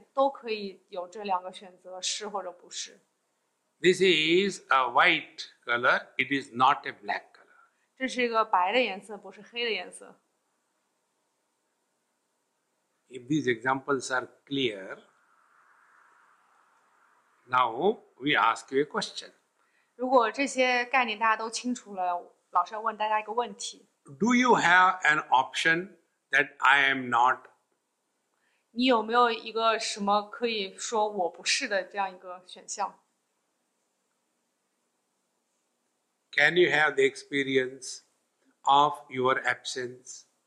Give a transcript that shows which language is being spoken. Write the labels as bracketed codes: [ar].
[zh] 就所有你生命中的经验都可以有这两个选择, 是或者不是。 [en] This is a white color, it is not a black color. [zh] 这是一个白的颜色, 不是黑的颜色。 [en] If these examples are clear, now we ask you a question. [zh] 如果这些概念大家都清楚了，老师要问大家一个问题。 [en] Do you have an option that I am not? [zh] 你有没有一个什么可以说我不是的这样一个选项？ [en] Can you have the experience of your absence?